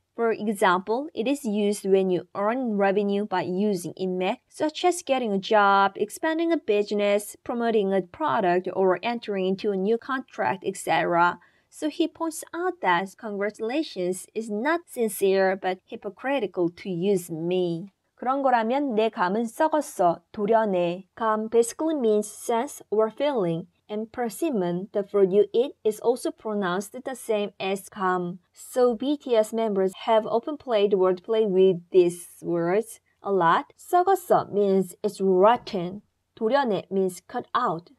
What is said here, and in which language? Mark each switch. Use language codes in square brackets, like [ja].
[en] For example, it is used when you earn revenue by using 인맥, such as getting a job, expanding a business, promoting a product, or entering into a new contract, etc. So he points out that congratulations is not sincere but hypocritical to use me. [ko] 그런 거라면 내 감은 썩었어, 돌연해. [en] 감 basically means sense or feeling. And persimmon, the fruit you eat, is also pronounced the same as 감. So BTS members have often played wordplay with these words a lot. 썩었어 means it's rotten. 돌연해 means cut out.